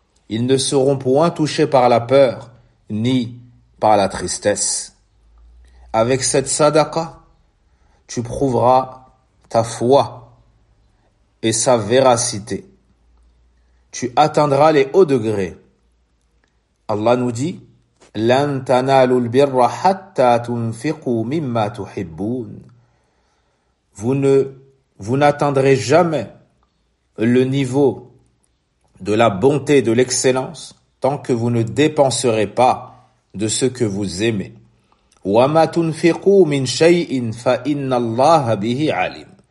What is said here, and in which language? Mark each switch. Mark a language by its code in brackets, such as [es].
[fr] Ils ne seront point touchés par la peur ni par la tristesse. Avec cette sadaqa, tu prouveras ta foi et sa véracité. Tu atteindras les hauts degrés. Allah nous dit, [ar] لَن تَنَالُوا الْبِرَّ حَتَّى تُنْفِقُوا مِمَّا تُحِبُّونَ. [fr] Vous n'atteindrez jamais le niveau de la bonté et de l'excellence tant que vous ne dépenserez pas de ce que vous aimez. [ar] وَمَا تُنْفِقُوا مِنْ شَيْءٍ فَإِنَّ اللَّهَ بِهِ عَلِيمٌ.